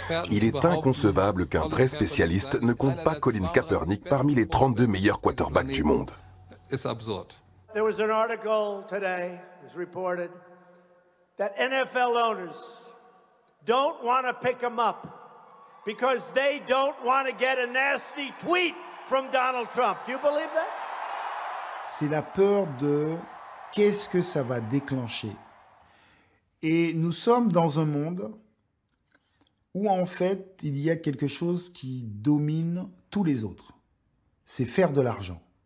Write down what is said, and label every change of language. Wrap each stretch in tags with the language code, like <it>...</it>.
<fr>Il est inconcevable qu'un vrai spécialiste ne compte pas Colin Kaepernick parmi les 32 meilleurs quarterbacks du monde. C'est absurde.</fr> <en>There was an article today, it was reported, that NFL owners don't want to pick him up because they don't want to get a nasty tweet from Donald Trump. Do you believe that?</en> <fr>C'est la peur de qu'est-ce que ça va déclencher. Et nous sommes dans un monde où, en fait, il y a quelque chose qui domine tous les autres. C'est faire de l'argent.</fr>